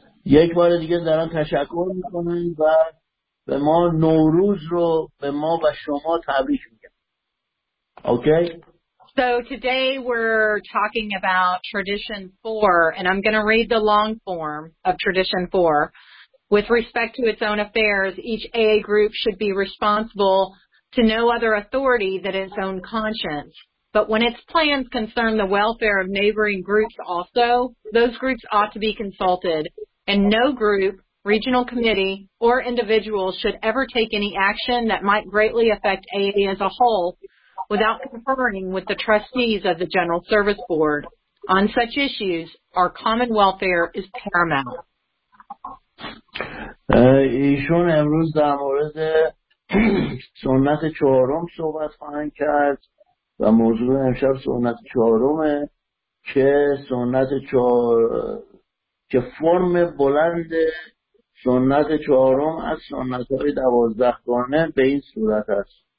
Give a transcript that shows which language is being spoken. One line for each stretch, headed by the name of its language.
Persian: یک بار دیگه دارم تشکر میکنم و به ما نوروز رو به ما و شما تبریک میگم.
English: Okay? So today we're talking about tradition 4 and I'm going to read the long form of tradition 4. With respect to its own affairs, each AA group should be responsible to no other authority than its own conscience. But when its plans concern the welfare of neighboring groups also, those groups ought to be consulted. And no group, regional committee, or individual should ever take any action that might greatly affect AA as a whole without conferring with the trustees of the General Service Board. On such issues, our common welfare is paramount.
Persian: ایشون امروز در مورد سنت چهارم صحبت خواهند کرد و موضوع امشب سنت چهارمه که سنت چهار که فرم بلند سنت چهارم از سنت‌های دوازده گانه به این صورت است.